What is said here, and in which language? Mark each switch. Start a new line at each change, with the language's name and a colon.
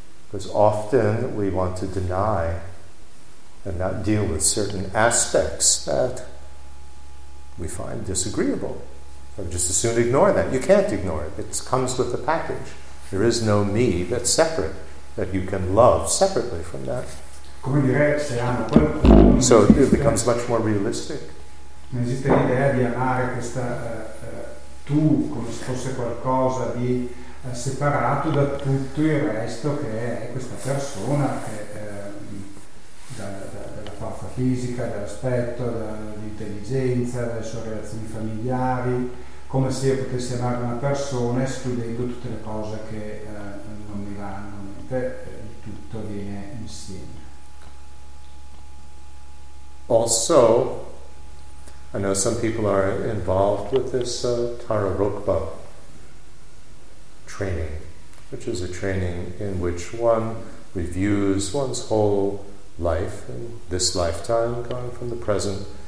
English: Because often we want to deny and not deal with certain aspects that we find disagreeable. I would just as soon ignore that. You can't ignore it. It comes with the package. There is no me that's separate, that you can love separately from that.
Italian: Come dire, se amo quello,
English: so it becomes much more realistic.
Italian: Non esiste l'idea di amare questa tu come se fosse qualcosa di separato da tutto il resto che è questa persona che dalla forza fisica, dall'aspetto, dall'intelligenza, dalle sue relazioni familiari, come se io potessi amare una persona escludendo tutte le cose che non mi vanno, mentre tutto viene insieme.
English: Also, I know some people are involved with this Tara Rukpa training, which is a training in which one reviews one's whole life in this lifetime, going from the present